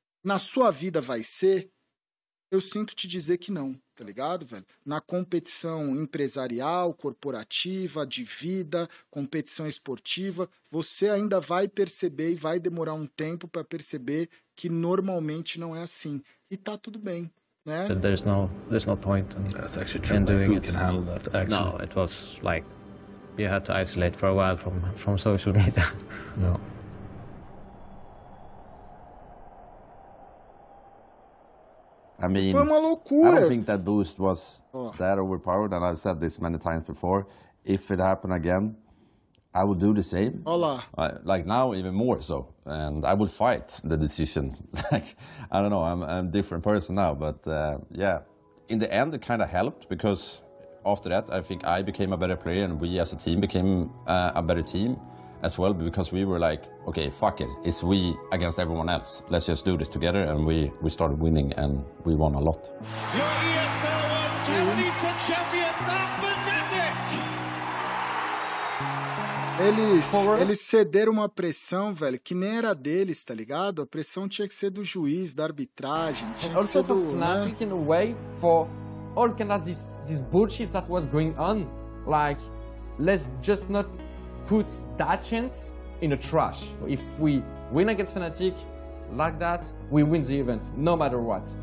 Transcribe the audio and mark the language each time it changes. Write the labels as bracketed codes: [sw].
[pt] Na sua vida vai ser? Eu sinto te dizer que não, tá ligado, velho? Na competição empresarial, corporativa, de vida, competição esportiva, você ainda vai perceber e vai demorar um tempo para perceber que normalmente não é assim. E tá tudo bem, né? [en] There's no point in, that's actually true. In doing it. Who can handle that, actually? No, it was like... You had to isolate for a while from social media. No. I mean, [pt] foi uma loucura. [en] I don't think that boost was that overpowered, and I've said this many times before. If it happened again, I would do the same. [es] Hola. [en] Like now, even more so. And I would fight the decision. Like, I don't know, I'm a different person now, but yeah. In the end, it kind of helped because after that, I think I became a better player and we as a team became a better team as well because we were like, okay, fuck it. It's we against everyone else. Let's just do this together. And we started winning and we won a lot. Your ESL World Cup champions are pathetic! [pt] Eles cederam uma pressão, velho, que nem era deles, tá ligado? A pressão tinha que ser do juiz, da arbitragem. [en] All sort of magic in a way for organize this bullshit that was going on. Like, let's just not put that chance in a trash. If we win against Fnatic like that, we win the event, no matter what.